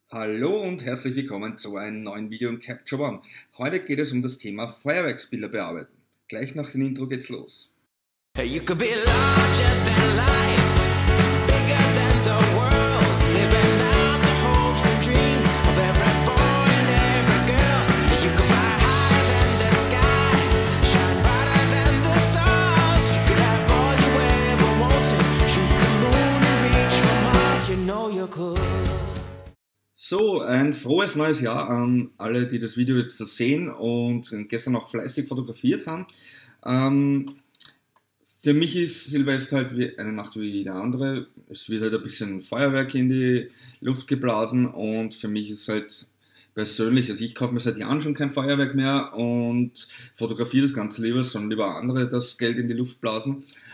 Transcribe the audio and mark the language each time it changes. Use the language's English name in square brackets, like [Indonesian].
[German] Hallo und herzlich willkommen zu einem neuen Video in Capture One. Heute geht es um das Thema Feuerwerksbilder bearbeiten. Gleich nach dem Intro geht's los. [English] You could be larger than life, bigger than the world, living out the hopes and dreams of every boy and every girl. You could fly higher than the sky, shine brighter than the stars. You could have all you ever wanted, shoot the moon and reach for Mars. You know you could. [German] So, ein frohes neues Jahr an alle, die das Video jetzt sehen und gestern auch fleißig fotografiert haben. Für mich ist Silvester halt wie eine Nacht wie jede andere. Es wird halt ein bisschen Feuerwerk in die Luft geblasen und für mich ist halt persönlich, also ich kaufe mir seit Jahren schon kein Feuerwerk mehr und fotografiere das Ganze lieber, sondern lieber andere das Geld in die Luft blasen.